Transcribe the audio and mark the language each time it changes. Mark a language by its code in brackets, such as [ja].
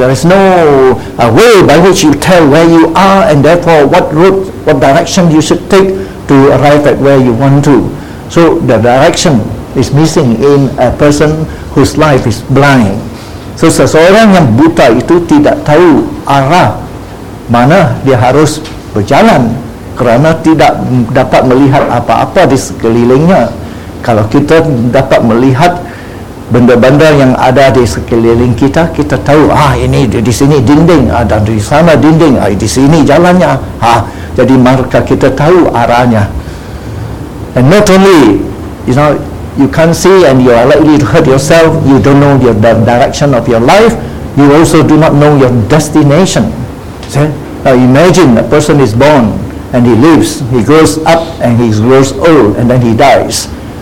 [en] There is no way by which you tell where you are and therefore what route, what direction you should take to arrive at where you want to. So the direction is missing in a person whose life is blind. [ms] So seseorang yang buta itu tidak tahu arah mana dia harus berjalan kerana tidak dapat melihat apa-apa di sekelilingnya. Kalau kita dapat melihat benda-benda yang ada di sekeliling kita, kita tahu ini di sini dinding, dan di sana dinding, di sini jalannya. Jadi maka kita tahu arahnya. [en] And not only, you can't see and you are likely to hurt yourself, you don't know the direction of your life, you also do not know your destination. Now imagine a person is born and he lives, he grows up and he grows old and then he dies.